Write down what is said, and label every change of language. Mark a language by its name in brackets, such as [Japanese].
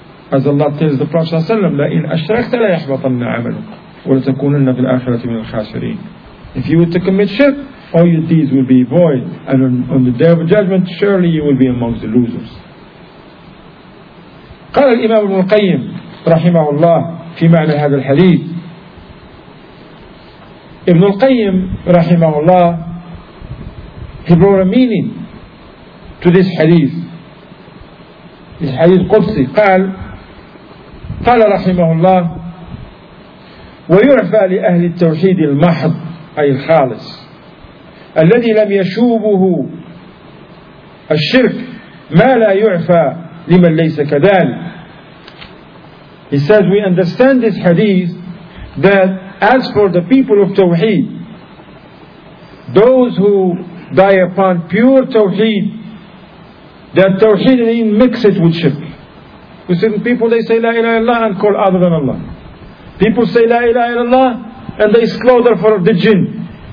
[English] As Allah tells the Prophet صلى الله عليه وسلم, [Arabic] لَإِنْ أَشْرَكْتَ لَيَحْبَطَنَّ عَمَلُكَ وَلَتَكُونَنَّ فِي الْآخِرَةِ مِنَ الْخَاسِرِينَ. [English] If you were to commit shirk, all your deeds will be void, and on the day of judgment, surely you will be amongst the losers. [Arabic] قال الإمام ابن القيم رحمه الله في معنى هذا الحديث. [English] ابن القيم رحمه الله, he brought a meaning to this hadith. This hadith Qudsi. [Arabic] قال رحمه الله ويعفى لأهل التوحيد المحض أي الخالص الذي لم يشوبه الشرك ما لا يعفى لمن ليس كذلك. [English] He says, we understand this hadith that as for the people of Tawheed, those who die upon pure Tawheed, that Tawheed didn't mix it with shirk. We see people, they say La ilaha illallah and call other than Allah. People say La ilaha illallah and they slaughter for the jinn.